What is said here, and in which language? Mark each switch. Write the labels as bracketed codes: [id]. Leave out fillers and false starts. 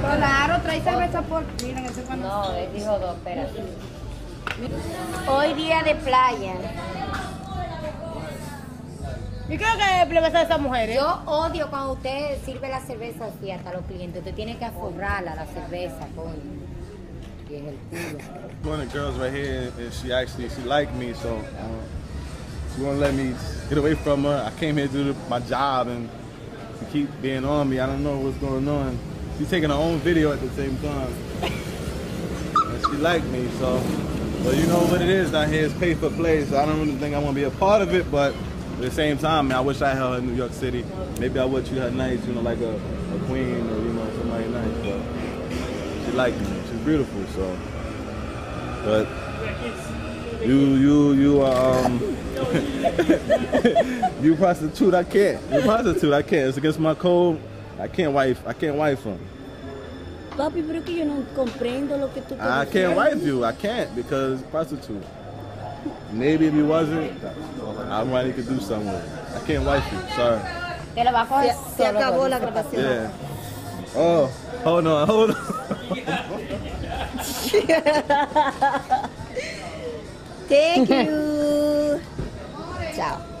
[es] Claro, trae cerveza por fin. No, él dijo dos, espérate. Hoy día de playa. ¿Y qué es la cerveza de esas mujeres? Yo odio cuando usted sirve la cerveza así hasta los clientes. Usted tiene que aforrarla la cerveza, coño. [en] One of the girls right here, and she liked me, so she won't let me get away from her. I came here to do my job, and she keep being on me. I don't know what's going on. She's taking her own video at the same time. and she liked me, so. But you know what it is, down here is pay for play, so I don't really think I want to be a part of it, but at the same time, man, I wish I had her in New York City. Maybe I would treat her nice, you know, like a queen or, you know, somebody nice, but she liked me, she's beautiful, so. But you are you prostitute, I can't. It's against my code. I can't wife him. [es] Papi, pero que yo no comprendo lo que tú quieres. [en] I can't wife you. I can't because prostitute. Maybe if you wasn't, I might could do something. I can't wife you. Sorry. [es] Te la bajo. Se acabó la grabación. [en] Yeah. Oh, hold on, hold on. Thank you. Ciao.